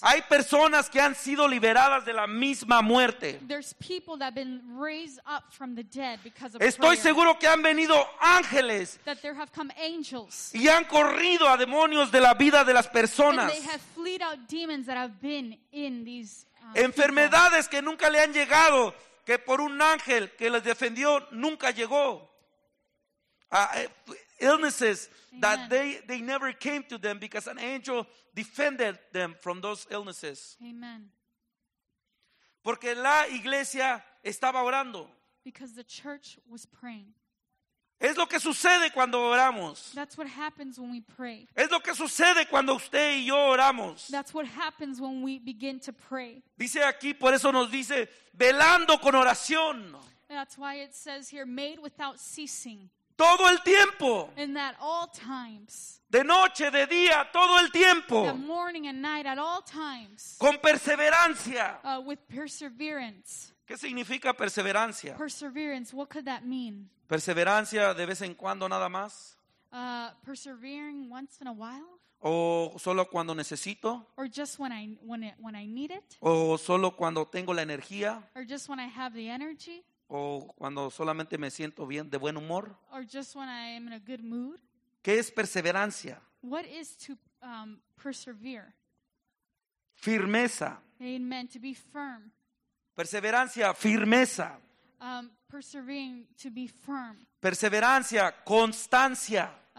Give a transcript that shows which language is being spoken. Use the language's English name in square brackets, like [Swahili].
[Spanish] Hay personas que han sido liberadas de la misma muerte. [English] There's people that have been raised up from the dead because of prayer. [Spanish] Estoy seguro que han venido ángeles. [English] That there have come angels. [Spanish] Y han corrido a demonios de la vida de las personas. [English] And they have fleed out demons that have been in these [Spanish] enfermedades [English] people. [Spanish] Que nunca le han llegado, que por un ángel que les defendió nunca llegó. [English] Illnesses Amen. That they never came to them because an angel defended them from those illnesses. Amen. [Spanish] Porque la iglesia estaba orando. [English] Because the church was praying. [Spanish] Es lo que sucede cuando oramos. [English] That's what happens when we pray. [Spanish] Es lo que sucede cuando usted y yo oramos. [English] That's what happens when we begin to pray. [Spanish] Dice aquí, por eso nos dice, velando con oración. [English] That's why it says here, made without ceasing. [Spanish] Todo el tiempo. [English] And that all times. [Spanish] De noche, de día, todo el tiempo. [English] The morning and night at all times. [Spanish] Con perseverancia. [English] With perseverance. [Spanish] ¿Qué significa perseverancia? [English] Perseverance, what could that mean? [Spanish] Perseverancia de vez en cuando nada más. [English] Persevering once in a while. [Spanish] O solo cuando necesito. [English] Or just when I need it. [Spanish] O solo cuando tengo la energía. [English] Or just when I have the energy. [Spanish] O cuando solamente me siento bien, de buen humor. [English] Or just when I am in a good mood. [Spanish] ¿Qué es perseverancia? [English] What is to persevere? [Spanish] Firmeza. [English] Amen. To be firm. [Spanish] Perseverancia, firmeza. [English] Persevering, to be firm. [Spanish] Perseverancia, constancia.